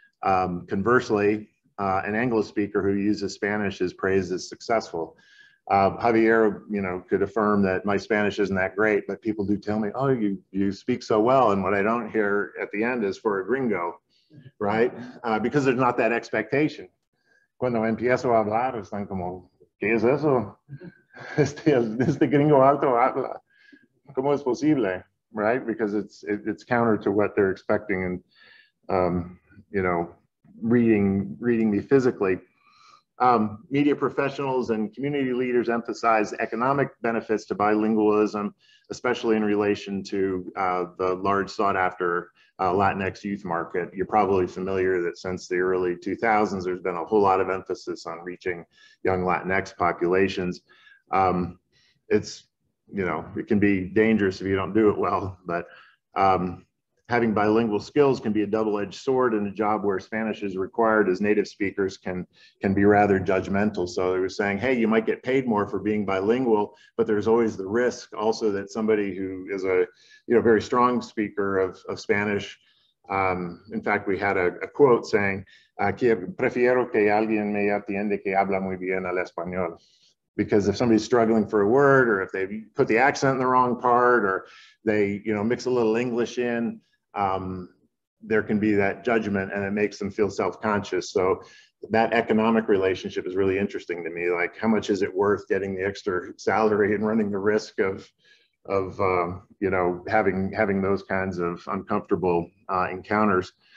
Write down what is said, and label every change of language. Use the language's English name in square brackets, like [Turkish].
[English] Conversely, an Anglo speaker who uses Spanish is praised as successful. Javier, you know, could affirm that my Spanish isn't that great, but people do tell me, oh, you speak so well. And what I don't hear at the end is for a gringo, right? Because there's not that expectation. [Spanish] Cuando empiezo a hablar, están como, ¿qué es eso? Este gringo alto habla. ¿Cómo es posible? [English] Right? Because it's counter to what they're expecting and, you know, reading me physically. Media professionals and community leaders emphasize economic benefits to bilingualism, especially in relation to the large sought after Latinx youth market. You're probably familiar that since the early 2000s, there's been a whole lot of emphasis on reaching young Latinx populations. It's, you know, it can be dangerous if you don't do it well, but having bilingual skills can be a double-edged sword in a job where Spanish is required, as native speakers can be rather judgmental. So they were saying, hey, you might get paid more for being bilingual, but there's always the risk also that somebody who is a, you know, very strong speaker of Spanish. In fact, we had a quote saying, [Spanish] prefiero que alguien me atiende que habla muy bien el español. [English] Because if somebody's struggling for a word, or if they put the accent in the wrong part, or they, you know, mix a little English in, there can be that judgment and it makes them feel self-conscious. So that economic relationship is really interesting to me. Like, how much is it worth getting the extra salary and running the risk of you know, having those kinds of uncomfortable encounters?